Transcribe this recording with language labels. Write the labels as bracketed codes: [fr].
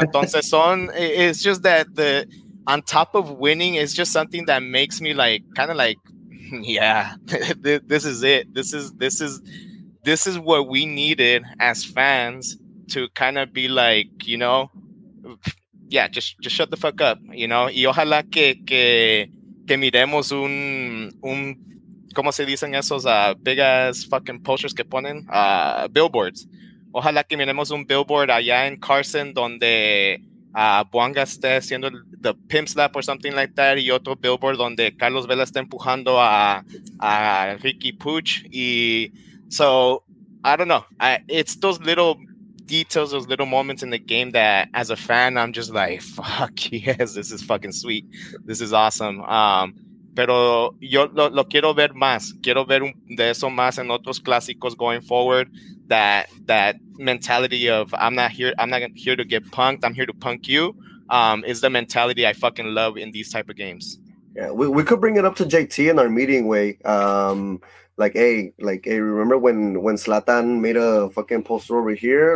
[en] Entonces, it's just that on top of winning, it's just something that makes me like, kind of like, yeah, this is it. This is what we needed as fans to kind of be like, you know, yeah, just shut the fuck up, you know. [es] Y ojalá que miremos un ¿cómo se dicen esos [en] big ass fucking posters [es] que ponen? Billboards. Ojalá que miremos un billboard allá en Carson donde Buanga esté haciendo el [en] the pimp slap or something like that, [es] y otro billboard donde Carlos Vela está empujando a Ricky Puig. [en] Y so I don't know. It's those little details, those little moments in the game that as a fan I'm just like, fuck yes, this is fucking sweet, this is awesome. [es] Pero yo lo quiero ver más, quiero ver de eso más en otros clásicos [en] going forward. That mentality of I'm not here to get punked, I'm here to punk you, is the mentality I fucking love in these type of games. Yeah, we could bring it up to JT in our meeting way. Like, hey, remember when Zlatan made a fucking poster over here?